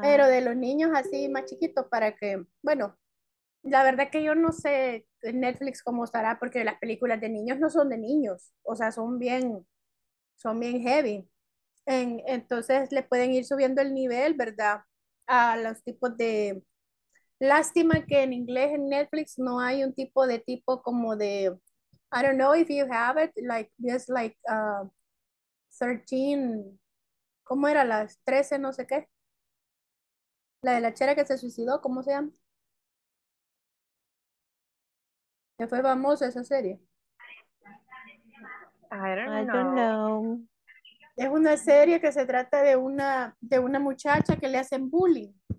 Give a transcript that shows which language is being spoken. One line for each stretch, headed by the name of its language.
Spanish: Pero de los niños así más chiquitos para que, bueno, la verdad que yo no sé Netflix cómo estará, porque las películas de niños no son de niños, o sea, son bien heavy. Entonces le pueden ir subiendo el nivel, ¿verdad? A los tipos de... Lástima que en inglés en Netflix no hay un tipo de tipo como de...
English: I don't know if you have it, like, just like 13,
Spanish: ¿cómo era? Las 13, no sé qué. La de la chera que se suicidó, ¿cómo se llama? ¿Ya fue famosa esa serie?
English: I don't know.
Spanish: Es una serie que se trata de una muchacha que le hacen bullying.